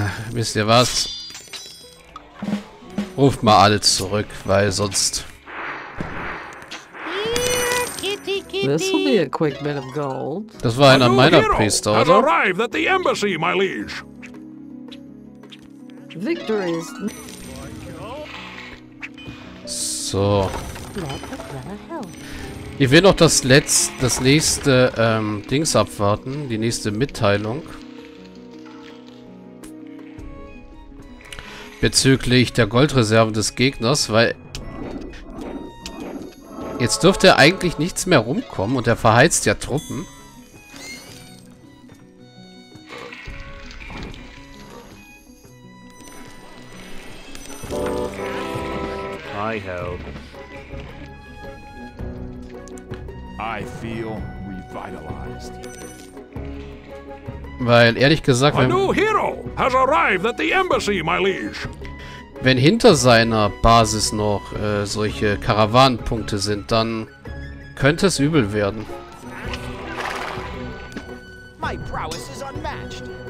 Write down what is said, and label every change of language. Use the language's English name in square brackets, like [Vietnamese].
[German] Wisst ihr was? Ruft mal alle zurück, weil sonst. [English] This will be a quick bit of gold. [German] Das war einer meiner Priester, oder? [English] Has arrived at the embassy, my liege. Victory is. So. [German] Ich will noch das nächste Dings abwarten. Die nächste Mitteilung. Bezüglich der Goldreserve des Gegners, weil... Jetzt dürfte eigentlich nichts mehr rumkommen und er verheizt ja Truppen. [English] I help. I feel revitalized. [German] Weil ehrlich gesagt, wenn... [English] A new hero has arrived at the embassy, my liege. [German] Wenn hinter seiner Basis noch solche Karawanenpunkte sind, dann könnte es übel werden. [English] My prowess is unmatched.